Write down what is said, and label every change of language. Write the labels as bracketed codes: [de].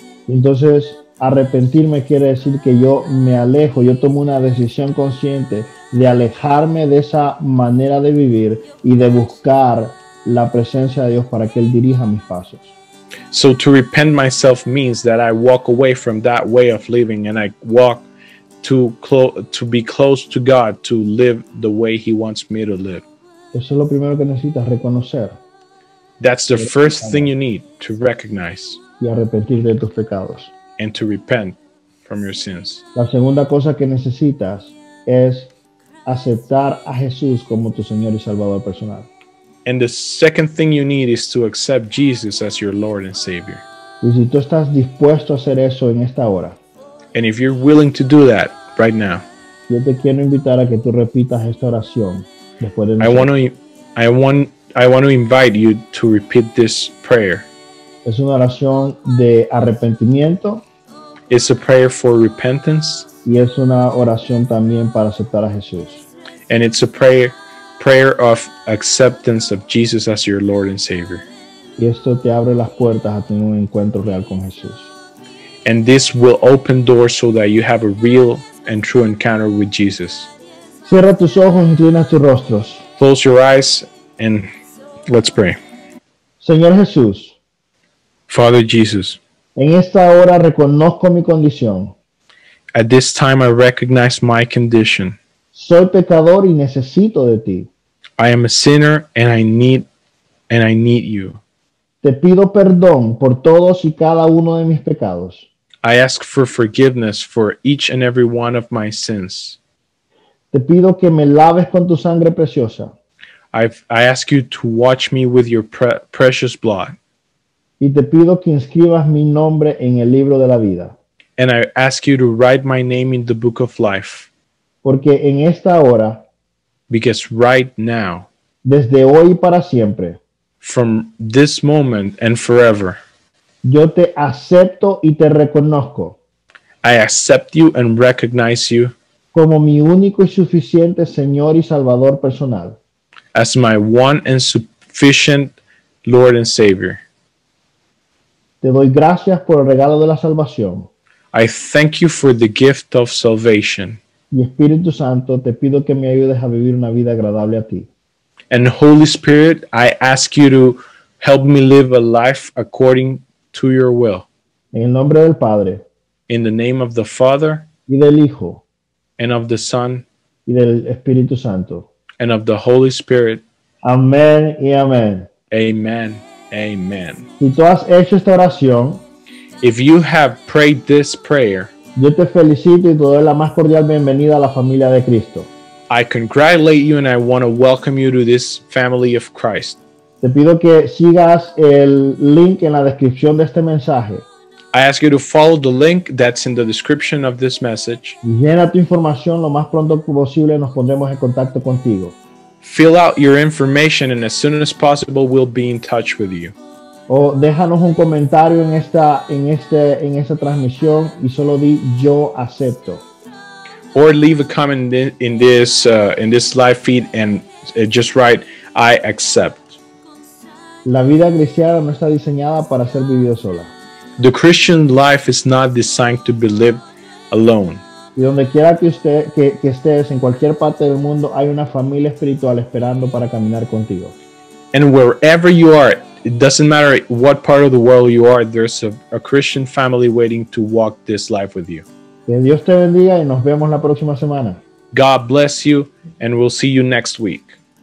[es] Entonces, arrepentirme quiere decir que yo me alejo. Yo tomo una decisión consciente de alejarme de esa manera de vivir y de buscar la presencia de Dios para que Él dirija mis pasos. [en] So to repent myself means that I walk away from that way of living and I walk to be close to God, to live the way He wants me to live. [es] Eso es lo primero que necesitas, reconocer. [en] That's the first thing you need to recognize. [es] Y arrepentir de tus pecados. [en] And to repent from your sins. [es] La segunda cosa que necesitas es aceptar a Jesús como tu Señor y Salvador personal. [en] And the second thing you need is to accept Jesus as your Lord and Savior. [es] Y si tú estás dispuesto a hacer eso en esta hora. [en] And if you're willing to do that right now. [es] Yo te quiero invitar a que tú repitas esta oración después de nosotros. [en] I want to invite you to repeat this prayer. [es] Es una oración de arrepentimiento. [en] It's a prayer for repentance. [es] Y es una oración también para aceptar a Jesús. [en] And it's a prayer of acceptance of Jesus as your Lord and Savior. [es] Y esto te abre las puertas a tener un encuentro real con Jesús. [en] And this will open doors so that you have a real and true encounter with Jesus. [es] Cierra tus ojos y inclina tus rostros. [en] Close your eyes and let's pray. [es] Señor Jesús. [en] Father Jesus. [es] En esta hora reconozco mi condición. [en] At this time I recognize my condition. [es] Soy pecador y necesito de ti. [en] I am a sinner and I need you. [es] Te pido perdón por todos y cada uno de mis pecados. [en] I ask for forgiveness for each and every one of my sins. [es] Te pido que me laves con tu sangre preciosa. [en] I ask you to wash me with your precious blood. [es] Y te pido que inscribas mi nombre en el libro de la vida. [en] And I ask you to write my name in the book of life. [es] Porque en esta hora, [en] because right now, [es] desde hoy para siempre, [en] from this moment and forever, [es] yo te acepto y te reconozco. [en] I accept you and recognize you [es] como mi único y suficiente Señor y Salvador personal. [en] As my one and sufficient Lord and Savior. [es] Te doy gracias por el regalo de la salvación. [en] I thank you for the gift of salvation. [es] Y Espíritu Santo, te pido que me ayudes a vivir una vida agradable a ti. [en] And Holy Spirit, I ask you to help me live a life according to your will. [es] En el nombre del Padre. [en] In the name of the Father. [es] Y del Hijo. [en] And of the Son. [es] Y del Espíritu Santo. [en] And of the Holy Spirit. [es] Amén y amén. [en] Amen, amen. [es] Si tú has hecho esta oración. [en] If you have prayed this prayer. [es] Yo te felicito y te doy la más cordial bienvenida a la familia de Cristo. [en] I congratulate you and I want to welcome you to this family of Christ. [es] Te pido que sigas el link en la descripción de este mensaje. [en] I ask you to follow the link that's in the description of this message. [es] Llena tu información lo más pronto posible, nos pondremos en contacto contigo. [en] Fill out your information and as soon as possible we'll be in touch with you. [es] O déjanos un comentario en esta transmisión y solo di yo acepto. [en] Or leave a comment in this live feed and just write I accept. [es] La vida cristiana no está diseñada para ser vivida sola. [en] The Christian life is not designed to be lived alone. [es] Y donde quiera que usted que estés, en cualquier parte del mundo, hay una familia espiritual esperando para caminar contigo. [en] And wherever you are, it doesn't matter what part of the world you are, there's a Christian family waiting to walk this life with you. [es] Que Dios te bendiga y nos vemos la próxima semana. [en] God bless you and we'll see you next week.